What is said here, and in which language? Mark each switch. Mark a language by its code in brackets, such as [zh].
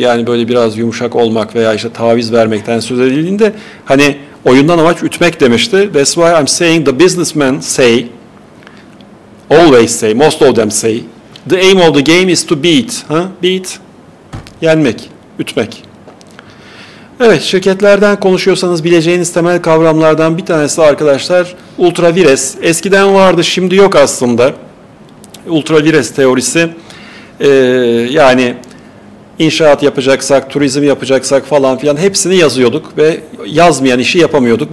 [tr] Yani böyle biraz yumuşak olmak veya işte taviz vermekten söz edildiğinde hani oyundan amaç ütmek demişti. [en] That's why I'm saying the businessmen say, always say, most of them say, the aim of the game is to beat. [tr] Huh? Beat, yenmek, ütmek. Evet, şirketlerden konuşuyorsanız bileceğiniz temel kavramlardan bir tanesi arkadaşlar ultra vires. Eskiden vardı, şimdi yok aslında. Ultra vires teorisi, yani inşaat yapacaksak, turizm yapacaksak falan filan hepsini yazıyorduk ve yazmayan işi yapamıyorduk.